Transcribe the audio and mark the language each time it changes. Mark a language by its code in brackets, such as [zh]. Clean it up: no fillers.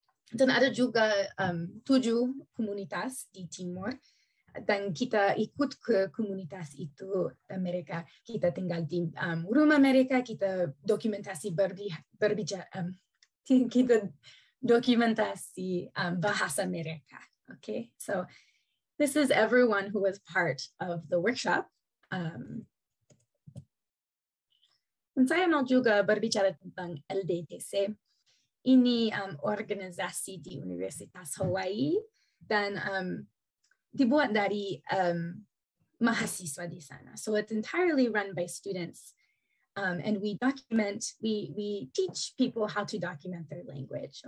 [id] Dan ada juga 7 komunitas di Timor, dan kita ikut ke komunitas itu, dan mereka kita tinggal di rumah mereka, kita dokumentasi kita dokumentasi bahasa mereka. [en] Okay, so this is everyone who was part of the workshop. [id] Dan saya mau juga berbicara tentang LDTC. Ini organisasi di Universitas Hawaii, dan dibuat dari mahasiswa di sana. [en] So it's entirely run by students, and we document, we teach people how to document their language.